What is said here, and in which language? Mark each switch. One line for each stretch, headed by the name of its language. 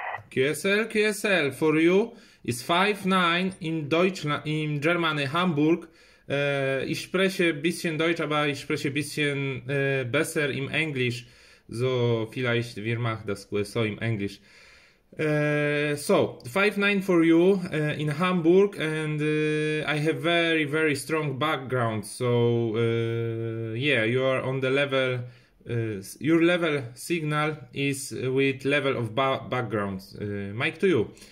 English: QSL, QSL, for you is 5-9
German: in Deutschland,
English: in Germany, Hamburg.
German: Ich spreche bisschen Deutsch, aber ich spreche bisschen besser im Englisch. So, vielleicht wir machen das QSO im Englisch.
English: So, 5-9 for you in Hamburg, and I have very, very strong background. So, yeah, you are on the level. Your level signal is with level of background. Mic to you.